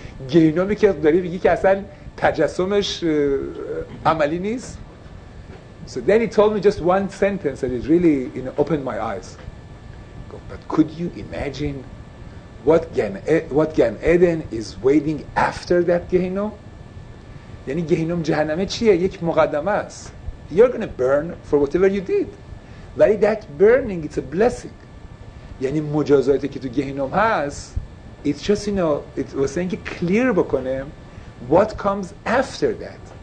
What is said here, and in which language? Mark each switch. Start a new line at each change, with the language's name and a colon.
Persian: گهنمی که داری بگی که اصلا تجسمش عملی نیست.
English: So then he told me just one sentence that it really opened my eyes. But could you imagine what Gan Eden is waiting after that Gehinnom?
Persian: یعنی گهنم جهنمه چیه؟ یک مقدمه است.
English: You're gonna burn for whatever you did.
Persian: ولی
English: that burning it's a blessing.
Persian: یعنی مجازاتی که تو گهنم هست
English: it's just it's saying clear
Persian: بکنه
English: what comes after that.